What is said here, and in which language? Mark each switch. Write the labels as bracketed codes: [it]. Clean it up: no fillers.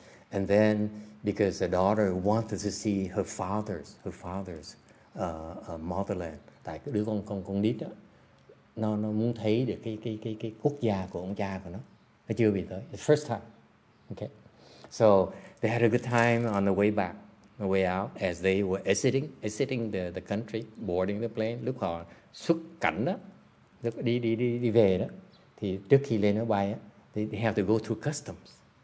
[en] And then because the daughter wanted to see her father's motherland. [vi] Tại cái đứa con nít đó nó muốn thấy được cái quốc gia của ông cha của nó. Nó chưa bị tới. [en] The first time. [vi] Okay. [en] So they had a good time on the way back, the way out, as they were exiting the country, boarding the plane. [vi] Lúc họ xuất cảnh đó, lúc đi về đó, thì trước khi lên máy bay á, [en] they have to go through customs.